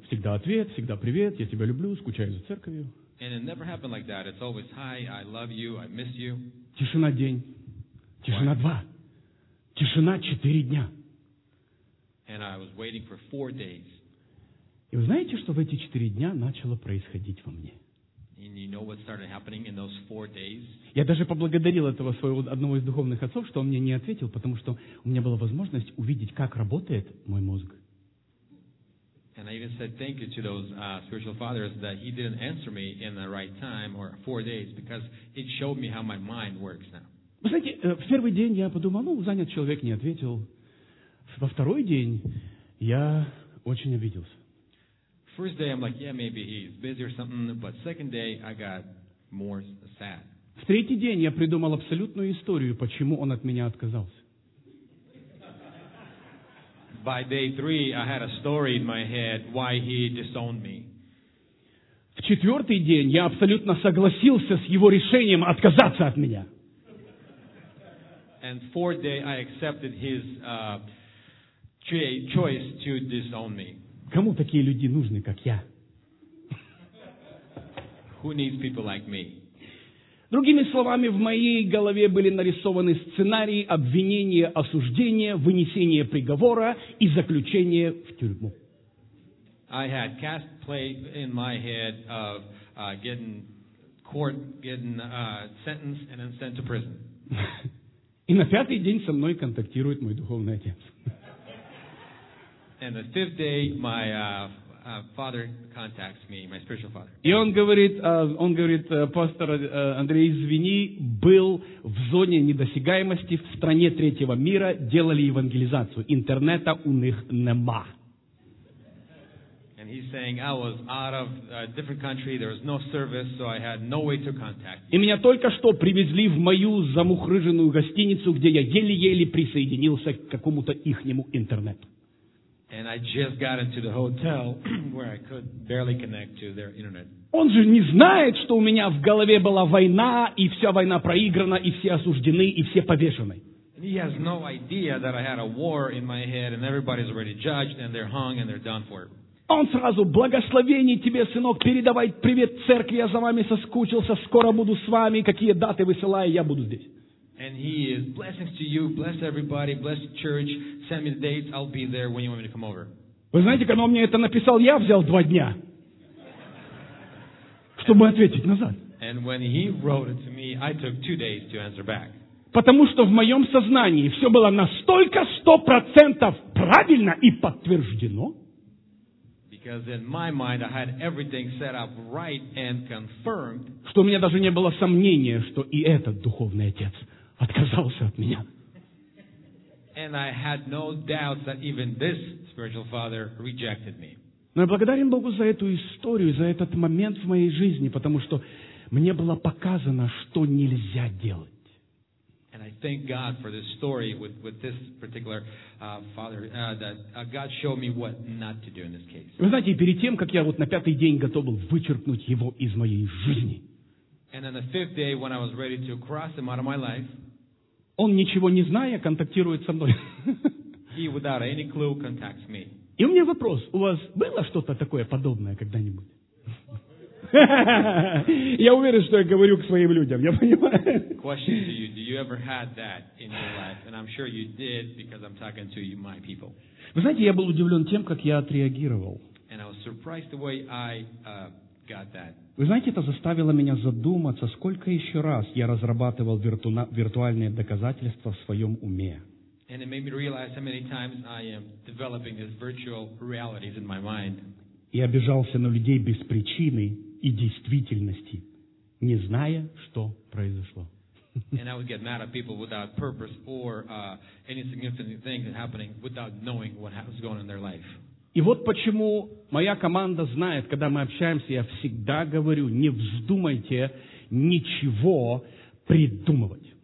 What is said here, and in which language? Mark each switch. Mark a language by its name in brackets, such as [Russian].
[Russian] Всегда ответ, всегда привет, я тебя люблю, скучаю за церковью. [English] And it never happened like that. It's always, hi, I love you, I miss you. [Russian] Тишина день. Тишина два. Тишина 4 дня. [English] And I was waiting for 4 days. [Russian] И вы знаете, что в эти 4 дня начало происходить во мне? [English] And you know what started happening in those 4 days? [Russian] Я даже поблагодарил этого своего одного из духовных отцов, что он мне не ответил, потому что у меня была возможность увидеть, как работает мой мозг. [English] And I even said thank you to those spiritual fathers that he didn't answer me in the right time or 4 days because it showed me how my mind works now. [Russian] Вы знаете, в первый день я подумал, ну, занят человек, не ответил. Во второй день я очень обиделся. [English] First day, I'm like, yeah, maybe he's busy or something, but second day, I got more sad. [Russian] В третий день я придумал абсолютную историю, почему он от меня отказался. [English] By day three, I had a story in my head why he disowned me. [Russian] В четвертый день я абсолютно согласился с его решением отказаться от меня. [English] And fourth day, I accepted his choice to disown me. [Russian] Кому такие люди нужны, как я? [English] Who needs people like me? [Russian] Другими словами, в моей голове были нарисованы сценарии обвинения, осуждения, вынесения приговора и заключения в тюрьму. [English] I had cast play in my head of getting court, getting sentenced and then sent to prison. [Russian] И на пятый день со мной контактирует мой духовный отец. [English] And the fifth day, my father contacts me, my spiritual father. [Russian] И он говорит, пастор Андрей, извини, был в зоне недосягаемости в стране третьего мира, делали евангелизацию, интернета у них нема. [English] And he's saying, I was out of a different country, there was no service, so I had no way to contact you. [Russian] И меня только что привезли в мою замухрыженную гостиницу, где я еле-еле присоединился к какому-то ихнему интернету. [English] And I just got into the hotel where I could barely connect to their internet. [Russian] Он же не знает, что у меня в голове была война, и вся война проиграна, и все осуждены, и все повешены. [English] And he has no idea that I had a war in my head, and everybody's already judged, and they're hung, and they're done for. [Russian] Он сразу, благословение тебе, сынок, передавай привет церкви, я за вами соскучился, скоро буду с вами, какие даты высылаю, я буду здесь. [English] And he is blessings to you, bless everybody, bless the church, send me the dates, I'll be there when you want me to come over. [Russian] Вы знаете, когда он мне это написал, я взял два дня, чтобы ответить назад. [English] And when he wrote it to me, I took two days to answer back. [Russian] Потому что в моем сознании все было настолько 100% правильно и подтверждено. [English] Because in my mind I had everything set up right and confirmed. [Russian] Что у меня даже не было сомнения, что и этот духовный отец отказался от меня. [English] And I had no doubts that even this spiritual father rejected me. [Russian] Но я благодарен Богу за эту историю, за этот момент в моей жизни, потому что мне было показано, что нельзя делать. [English] And I thank God for this story with this particular father that God showed me what not to do in this case. [Russian] Вы знаете, перед тем, как я вот на пятый день готов был вычеркнуть его из моей жизни. [English] And on the fifth day, when I was ready to cross him out of my life, [Russian] он ничего не зная контактирует со мной. [English] He without any clue contacts me. [Russian] И у меня вопрос: у вас было что-то такое подобное когда-нибудь? Я уверен, что я говорю к своим людям. Я понимаю. [English] Question to you: do you ever had that in your life? And I'm sure you did because I'm talking to you, my people. [Russian] Вы знаете, я был удивлен тем, как я отреагировал. [English] And I was surprised the way I got that. [Russian] Вы знаете, это заставило меня задуматься, сколько еще раз я разрабатывал виртуальные доказательства в своем уме. [English] And it made me realize how many times I am developing these virtual realities in my mind. [Russian] И обижался на людей без причины и действительности, не зная, что произошло. [English] And I would get mad at people without purpose or any significant thing happening without knowing what was going on in their life. [Russian] И вот почему моя команда знает, когда мы общаемся, я всегда говорю, не вздумайте ничего придумывать.